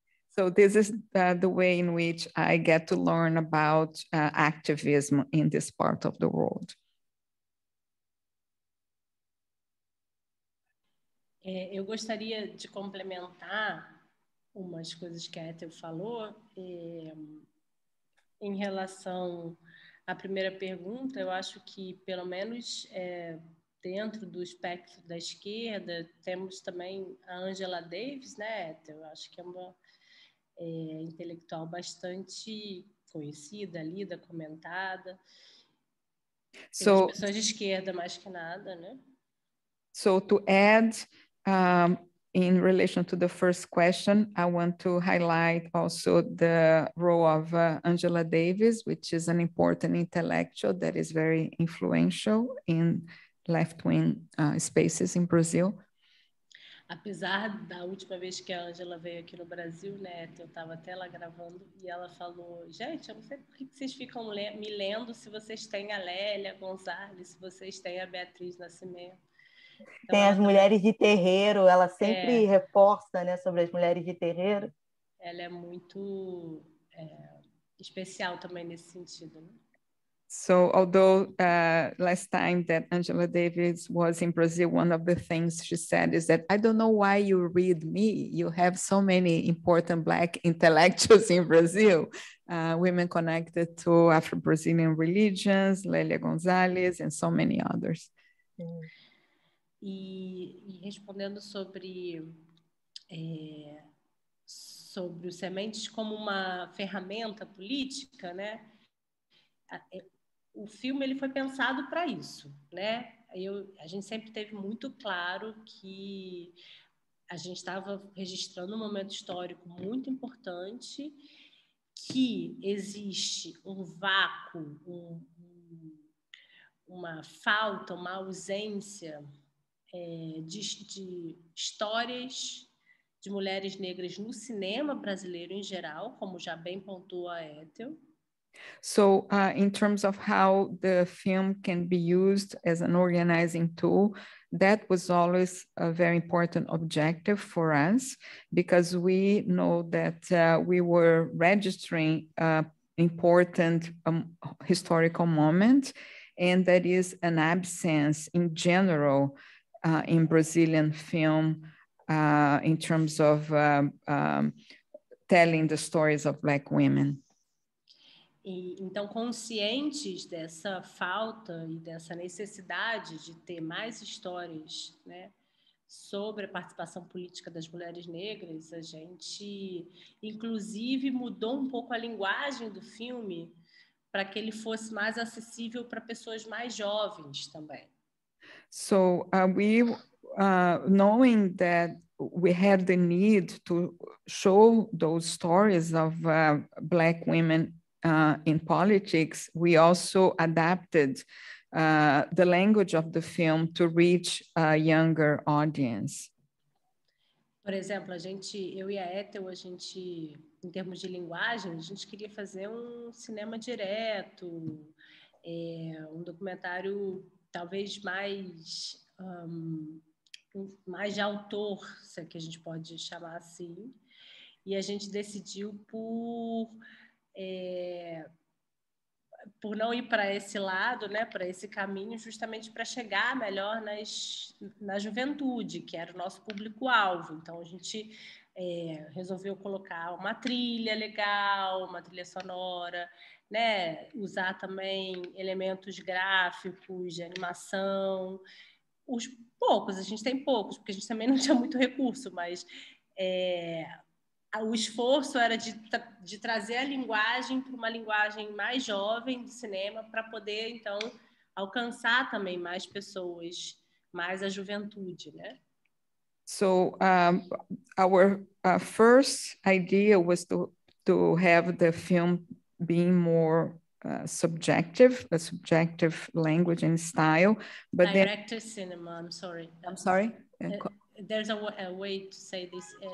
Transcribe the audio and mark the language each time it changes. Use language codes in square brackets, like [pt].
[en] So this is the way in which I get to learn about activism in this part of the world. [pt] Eu gostaria de complementar umas coisas que a Éthel falou em relação à primeira pergunta. Eu acho que, pelo menos dentro do espectro da esquerda, temos também a Angela Davis, né, Éthel? Eu acho que é uma intelectual bastante conhecida, lida, comentada. [en] So, [pt] pessoas de esquerda, mais que nada, né? [en] So, to add... in relation to the first question, I want to highlight also the role of Angela Davis, which is an important intellectual that is very influential in left-wing spaces in Brazil. [pt] Apesar da última vez que a Angela veio aqui no Brasil, né, eu estava até lá gravando e ela falou, gente, eu não sei por que vocês ficam me lendo se vocês têm a Lélia Gonzalez, se vocês têm a Beatriz Nascimento. Tem as mulheres de terreiro, ela sempre reforça, né, sobre as mulheres de terreiro. Ela é muito especial também nesse sentido. Né? [en] So, although last time that Angela Davis was in Brazil, one of the things she said is that, I don't know why you read me, you have so many important black intellectuals in Brazil, women connected to Afro-Brazilian religions, Lélia Gonzalez, and so many others. Mm. [pt] E respondendo sobre o Sementes como uma ferramenta política, né? O filme ele foi pensado para isso, né? A gente sempre teve muito claro que a gente estava registrando um momento histórico muito importante, que existe um vácuo, uma falta, uma ausência... De histórias de mulheres negras no cinema brasileiro em geral, como já bem pontuou a Éthel. [en] So, in terms of how the film can be used as an organizing tool, that was always a very important objective for us, because we know that we were registering an important historical moment, and that is an absence in general in Brazilian film in terms of telling the stories of black women. [pt] Então, conscientes dessa falta e dessa necessidade de ter mais histórias, né, sobre a participação política das mulheres negras, a gente, inclusive, mudou um pouco a linguagem do filme para que ele fosse mais acessível para pessoas mais jovens também. [en] So we, knowing that we had the need to show those stories of black women in politics, we also adapted the language of the film to reach a younger audience? [pt] Por exemplo, a gente, eu e a Éthel, a gente, em termos de linguagem, a gente queria fazer um cinema direto, é, um documentário talvez mais, mais de autor, se é que a gente pode chamar assim. E a gente decidiu por, é, por não ir para esse lado, né, para esse caminho, justamente para chegar melhor nas, na juventude, que era o nosso público-alvo. Então, a gente é, resolveu colocar uma trilha legal, uma trilha sonora, né, usar também elementos gráficos, de animação. Os poucos, a gente tem poucos, porque a gente também não tinha muito recurso, mas é, o esforço era de trazer a linguagem para uma linguagem mais jovem do cinema para poder, então, alcançar também mais pessoas, mais a juventude, né? [en] So, our first idea was to have the film being more subjective, a subjective language and style. But director then... cinema, I'm sorry. I'm sorry? There's a way to say this...